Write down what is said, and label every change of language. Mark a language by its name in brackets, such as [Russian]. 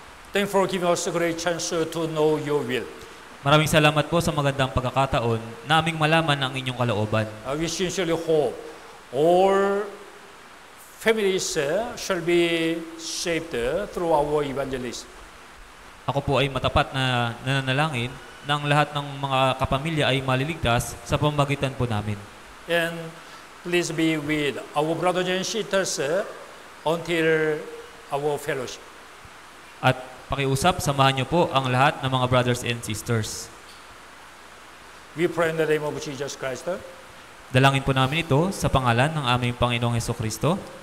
[English] Thank for giving us a great chance to know your will. [Filipino] Maraming salamat po sa magandang pagkakataon na aming malaman ang inyong kalooban. [English] We sincerely hope all families shall be saved through our evangelism. [Filipino] Ako po ay matapat na nananalangin na ang lahat ng mga kapamilya ay maliligtas sa pamamagitan po namin. [English] And please be with our brothers and sisters until our fellowship. [Filipino] At pakiusap, samahan niyo po ang lahat ng mga [English] brothers and sisters. We pray in the name of Jesus Christ. [Filipino] Dalangin po namin ito sa pangalan ng aming Panginoong Hesukristo.